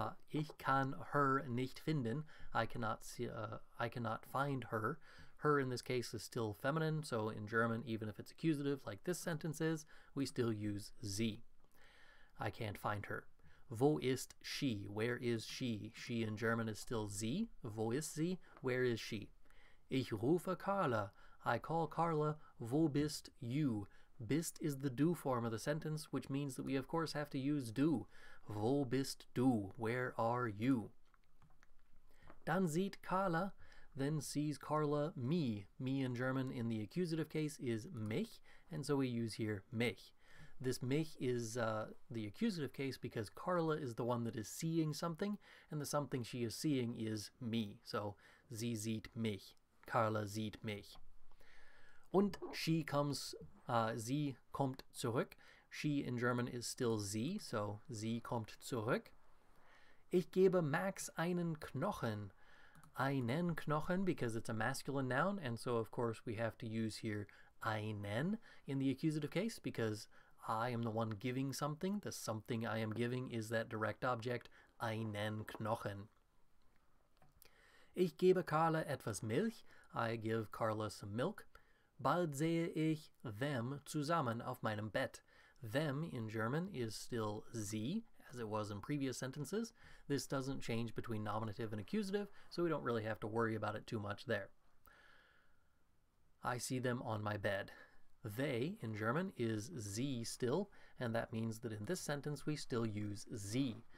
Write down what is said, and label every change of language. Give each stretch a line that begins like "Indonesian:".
German: Ich kann her nicht finden,
English: I cannot find her. Her in this case is still feminine, so in German, even if it's accusative like this sentence is, we still use sie. I can't find her.
German: Wo ist
English: she? Where is she? She in German is still sie.
German: Wo ist sie?
English: Where is she?
German: Ich rufe Carla.
English: I call Carla.
German: Wo bist you?
English: Bist is the du form of the sentence, which means that we of course have to use du.
German: Wo bist du?
English: Where are you?
German: Dann sieht Carla.
English: Then sees Carla me. Me in German in the accusative case is mich, and so we use here mich. This mich is the accusative case because Carla is the one that is seeing something, and the something she is seeing is me.
German: So, sie sieht mich. Carla sieht mich. Und
English: she comes,
German: sie kommt zurück.
English: She in German is still sie, so
German: sie kommt zurück. Ich gebe Max einen Knochen.
English: Einen Knochen, because it's a masculine noun, and so of course we have to use here einen in the accusative case because I am the one giving something. The something I am giving is that direct object, einen Knochen.
German: Ich gebe Carla etwas Milch.
English: I give Carla some milk.
German: Bald sehe ich them zusammen auf meinem Bett.
English: Them in German is still sie, as it was in previous sentences. This doesn't change between nominative and accusative, so we don't really have to worry about it too much there. I see them on my bed. They, in German, is sie still, and that means that in this sentence we still use sie.